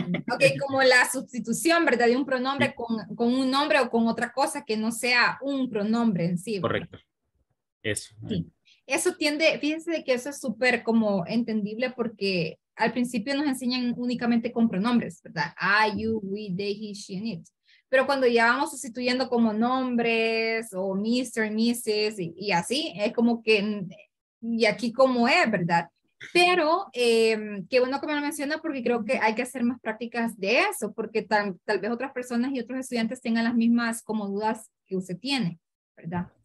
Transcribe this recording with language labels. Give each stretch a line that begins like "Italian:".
Spanish: Ok, como la sustitución, ¿verdad? De un pronombre con un nombre o con otra cosa que no sea un pronombre en sí. ¿Verdad? Correcto. Eso. Sí. Eso tiende, fíjense de que eso es súper como entendible porque al principio nos enseñan únicamente con pronombres, ¿verdad?
English: I, you, we, they, he, she, and it.
Spanish: Pero cuando ya vamos sustituyendo como nombres o Mr., Mrs. y así, es como que, y aquí como es, ¿verdad? Pero, qué bueno que me lo menciona porque creo que hay que hacer más prácticas de eso, porque tal vez otras personas y otros estudiantes tengan las mismas como dudas que usted tiene, ¿verdad?